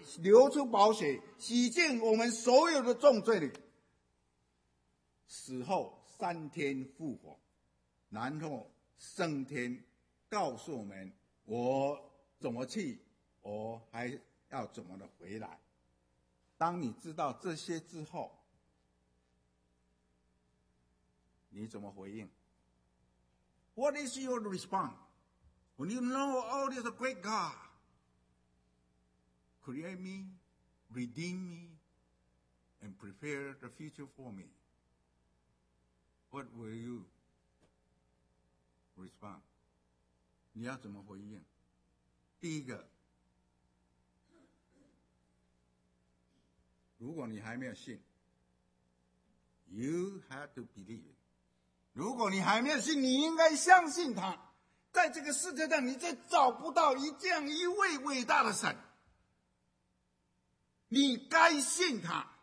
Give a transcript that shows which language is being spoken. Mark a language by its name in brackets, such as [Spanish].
[Chinese] 流出宝血洗净我们所有的重罪里，死后三天复活，然后升天告诉我们我怎么去，我还要怎么的回来。当你知道这些之后，你怎么回应？ [English] What is your response? When you know all this great God create me, redeem me, and prepare the future for me, what will you respond? [Chinese] 你要怎么回应？第一个，如果你还没有信， [English] You have to believe。 [Chinese] 如果你还没有信，你应该相信他。在这个世界上，你再找不到这样一位伟大的神，你该信他。